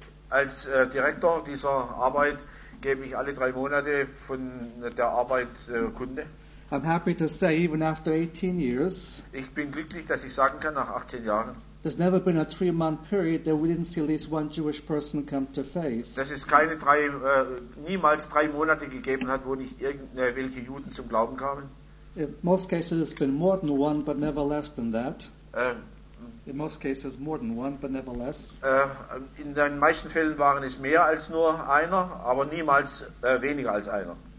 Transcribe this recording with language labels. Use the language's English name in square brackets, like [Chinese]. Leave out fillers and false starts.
[German] Als Direktor dieser Arbeit gebe ich alle 3 Monate von der Arbeit Kunde. [English] I'm happy to say, even after 18 years. [German] Ich bin glücklich, dass ich sagen kann, nach 18 Jahren. [English] There's never been a 3-month period that we didn't see at least 1 Jewish person come to faith. [German] Das ist keine niemals drei Monate gegeben hat, wo nicht irgendwelche Juden zum Glauben kamen. [English] In most cases it's been more than one, but never less than that. In most cases more than one, but never less. [German] In den meisten Fällen waren es mehr als nur einer, aber niemals weniger als einer.